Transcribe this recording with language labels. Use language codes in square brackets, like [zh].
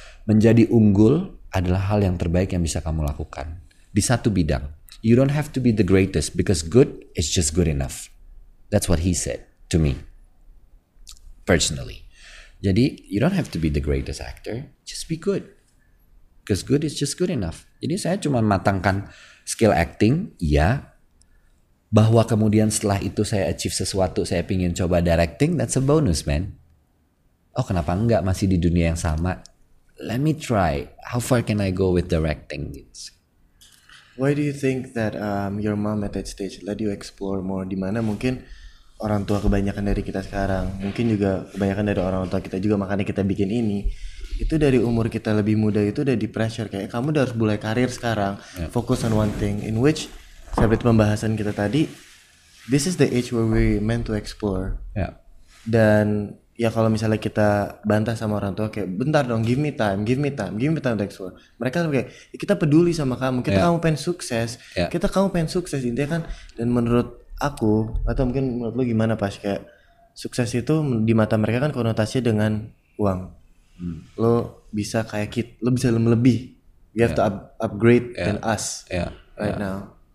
[id] Menjadi unggul adalah hal yang terbaik yang bisa kamu lakukan. Di satu bidang. [en] You don't have to be the greatest because good is just good enough. That's what he said to me. Personally. Jadi, you don't have to be the greatest actor. Just be good. Because good is just good enough. [id] Jadi saya cuma matangkan skill acting, ya. Bahwa kemudian setelah itu saya achieve sesuatu, saya pengen coba directing, [en] that's a bonus, man. [id] Oh, kenapa enggak masih di dunia yang sama? [en] Let me try. How far can I go with directing? Why do you think that your mom at that stage let you explore more? [id] Dimana mungkin orang tua kebanyakan dari kita sekarang, mungkin juga kebanyakan dari orang tua kita juga, makanya kita bikin ini. Itu dari umur kita lebih muda itu udah di pressure kayak kamu udah harus mulai karir sekarang, fokus [en] on one thing, in which [id] seperti pembahasan kita tadi, [en] this is the age where we meant to explore. [id] Dan ya kalau misalnya kita bantah sama orang tua kayak bentar dong, [en] give me time to explore, [id] mereka kayak kita peduli sama kamu, kita kamu pengen sukses, kita kamu pengen sukses intinya kan. Dan menurut aku atau mungkin menurut lu gimana pas kayak sukses itu di mata mereka kan konotasinya dengan uang. Lo bisa kayak kit, lo bisa lebih. [en] You have to upgrade than us now.